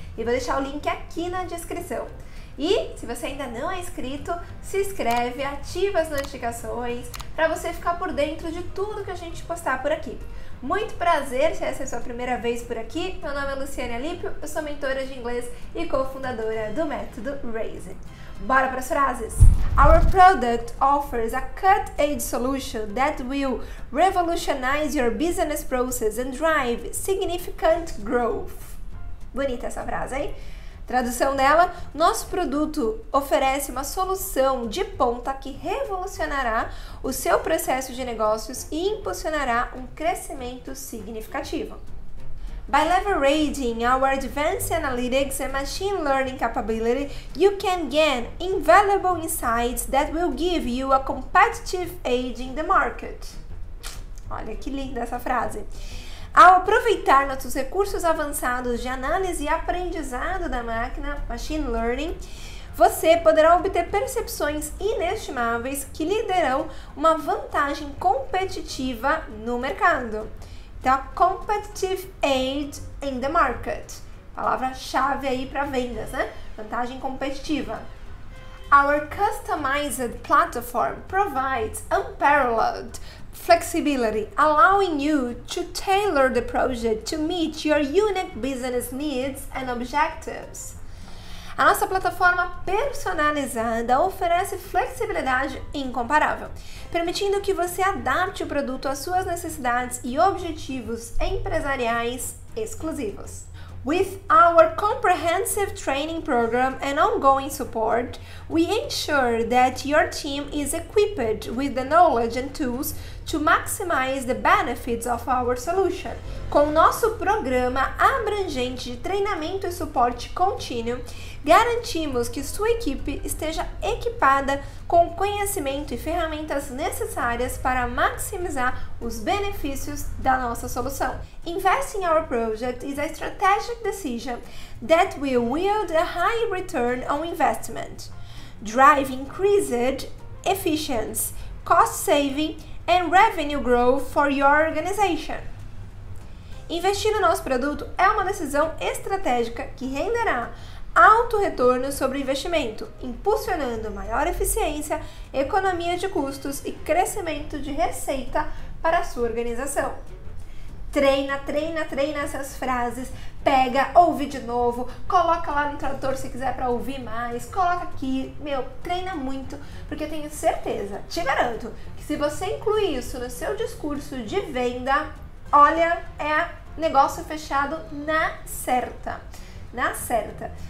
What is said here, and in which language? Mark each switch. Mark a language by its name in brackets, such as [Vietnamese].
[Portuguese] E vou deixar o link aqui na descrição. E se você ainda não é inscrito, se inscreve, ativa as notificações para você ficar por dentro de tudo que a gente postar por aqui. Muito prazer, se essa é a sua primeira vez por aqui. Meu nome é Luciane Alípio, eu sou mentora de inglês e cofundadora do método Raise. Bora para as frases! [English] Our product offers a cutting-edge solution that will revolutionize your business process and drive significant growth. [Portuguese] Bonita essa frase, hein? Tradução dela: nosso produto oferece uma solução de ponta que revolucionará o seu processo de negócios e impulsionará um crescimento significativo. [English] By leveraging our advanced analytics and machine learning capability, you can gain invaluable insights that will give you a competitive edge in the market. [Portuguese] Olha que linda essa frase! Ao aproveitar nossos recursos avançados de análise e aprendizado da máquina, Machine Learning, você poderá obter percepções inestimáveis que lhe darão uma vantagem competitiva no mercado. Então, [English] Competitive Edge in the Market, [Portuguese] palavra-chave aí para vendas, né? Vantagem competitiva. [English] Our customized platform provides unparalleled flexibility, allowing you to tailor the project to meet your unique business needs and objectives. [Portuguese] A nossa plataforma personalizada oferece flexibilidade incomparável, permitindo que você adapte o produto às suas necessidades e objetivos empresariais exclusivos. [English] With our comprehensive training program and ongoing support, we ensure that your team is equipped with the knowledge and tools to maximize the benefits of our solution. [Portuguese] Com nosso programa abrangente de treinamento e suporte contínuo, garantimos que sua equipe esteja equipada com o conhecimento e ferramentas necessárias para maximizar os benefícios da nossa solução. [English] Investing in our project is a strategic decision that will yield a high return on investment, drive increased efficiency, cost saving and revenue growth for your organization. [Portuguese] Investir no nosso produto é uma decisão estratégica que renderá alto retorno sobre investimento, impulsionando maior eficiência, economia de custos e crescimento de receita para a sua organização. Treina, treina, treina essas frases, pega, ouve de novo, coloca lá no tradutor se quiser para ouvir mais, coloca aqui, meu, treina muito, porque eu tenho certeza, te garanto, que se você incluir isso no seu discurso de venda, olha, é negócio fechado na certa. Na certa.